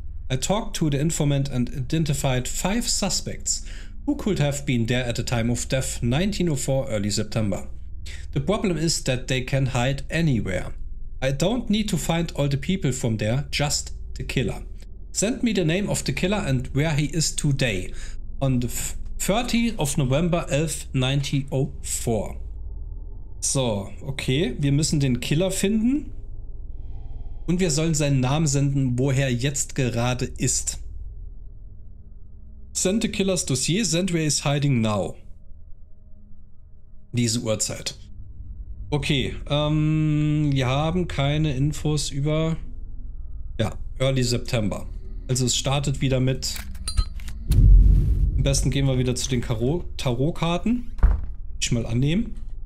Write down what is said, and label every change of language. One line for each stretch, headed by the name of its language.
English: I talked to the informant and identified 5 suspects who could have been there at the time of death 1904 early September. The problem is that they can hide anywhere. I don't need to find all the people from there, just the killer. Send me the name of the killer and where he is today, on the 30th of November 11, 1904.
German: So, okay, wir müssen den Killer finden und wir sollen seinen Namen senden, wo er jetzt gerade ist.
English: Send the killer's dossier, send where he's hiding now.
German: Diese Uhrzeit. Okay, wir haben keine Infos über, ja,
English: early September.
German: Also es startet wieder mit, am besten gehen wir wieder zu den Tarotkarten, die ich mal annehmen.